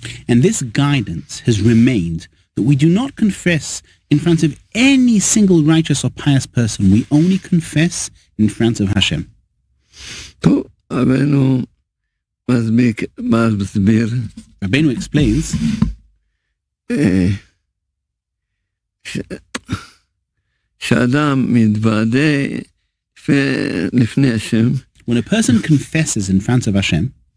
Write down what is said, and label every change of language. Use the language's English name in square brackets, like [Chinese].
[English] And this guidance has remained that we do not confess in front of any single righteous or pious person, we only confess in front of Hashem. [Hebrew] Rabbeinu מסביר. [English] Rabbeinu explains. [Hebrew] שאדם מתוודה לפני Hashem. [English] When a person confesses in front of Hashem,